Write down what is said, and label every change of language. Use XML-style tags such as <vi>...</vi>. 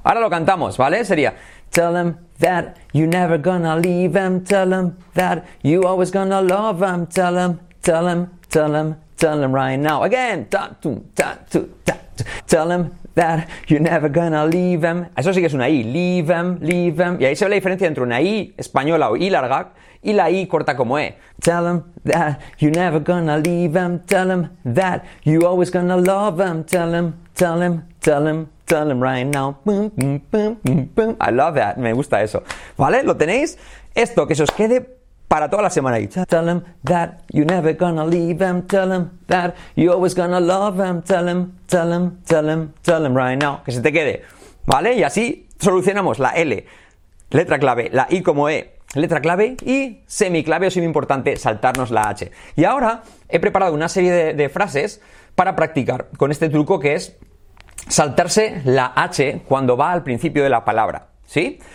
<es>Ahora lo cantamos, ¿vale? Sería,</es> <en>tell him that you never gonna leave him. Tell him that you always gonna love him. Tell him, tell him, Tell them right now. Again, tell them that you're never gonna leave them.</en> <es>Eso sí que es una I,</es> <en>leave them.</en> <es>Y ahí se ve la diferencia entre una I española o I larga y la I corta como E.</es> <en>Tell them that you're never gonna leave them. Tell them that you're always gonna love them. Tell them right now. Boom, boom, boom, boom, boom. I love that.</en> <es>Me gusta eso. ¿Vale? ¿Lo tenéis? Esto, que se os quede para toda la semana.</es> <en>Tell them that you're never gonna leave them. Tell them that you're always gonna love them. Tell them right now.</en> <es>Que se te quede. ¿Vale? Y así solucionamos la L, letra clave, la I como E, letra clave, y semiclave o semi-importante, saltarnos la H. Y ahora he preparado una serie de frases para practicar con este truco, que es saltarse la H cuando va al principio de la palabra. ¿Sí?</es>